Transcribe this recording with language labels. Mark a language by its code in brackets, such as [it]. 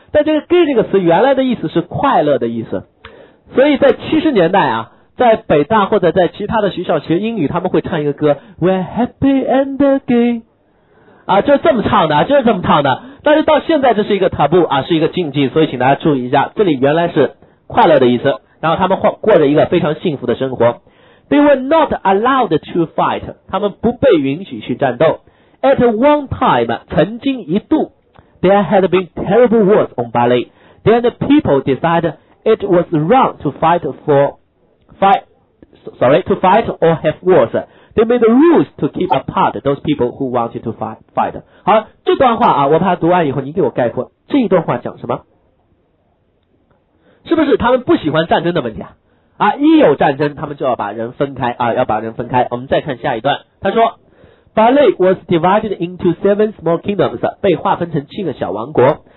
[zh] 但这个 gay 这个词原来的意思是快乐的意思。所以在70年代啊，在北大或者在其他的学校学英语，他们会唱一个歌 [en] We're happy and gay。 [zh] 啊，就是这么唱的，就是这么唱的。但是到现在这是一个 taboo 啊，是一个禁忌，所以请大家注意一下，这里原来是快乐的意思，然后他们过着一个非常幸福的生活。 [en] They were not allowed to fight， [zh] 他们不被允许去战斗。 [en] At one time， [zh] 曾经一度 [en] ，there had been terrible wars on Bali。 Then the people decided it was wrong to fight or have wars。 They made the rules to keep apart those people who wanted to fight。 [zh] 好，这段话啊，我把它读完以后，你给我概括这一段话讲什么？是不是他们不喜欢战争的问题啊？啊，一有战争，他们就要把人分开啊，要把人分开。我们再看下一段，他说 ， [en] Bali was divided into 7 small kingdoms， [zh] 被划分成七个小王国。